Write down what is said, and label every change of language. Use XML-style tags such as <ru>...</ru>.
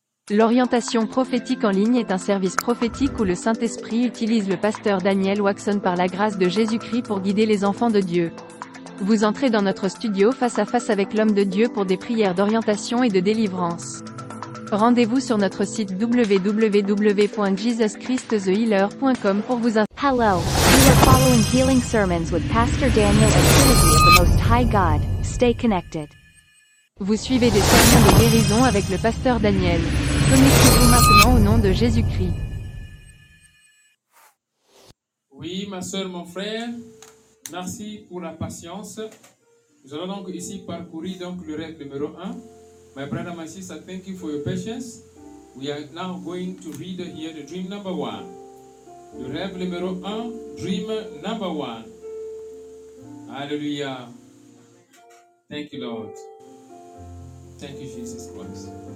<fr>L'orientation prophétique en ligne est un service prophétique où le Saint-Esprit utilise le pasteur Daniel Watson par la grâce de Jésus-Christ pour guider les enfants de Dieu. Vous entrez dans notre studio face à face avec l'homme de Dieu pour des prières d'orientation et de délivrance. Rendez-vous sur notre site www.jesuschristthehealer.com pour vous inscrire.</fr> <en>Hello, we are following healing sermons with Pastor Daniel and Trinity of the Most High God. Stay connected.</en> <fr>Vous suivez des sermons de guérison avec le pasteur Daniel. Connectez-vous maintenant au nom de Jésus-Christ. Oui, ma soeur, mon frère, merci pour la patience. Nous allons donc ici parcourir donc le rêve numéro 1.</fr> <en>My brother, my sister, thank you for your patience. We are now going to read here the dream number 1.</en> <fr>Le rêve numéro 1,</fr> <en>dream number 1.</en> <fr>Alléluia.</fr> <en>Thank you, Lord. Thank you, Jesus Christ.</en>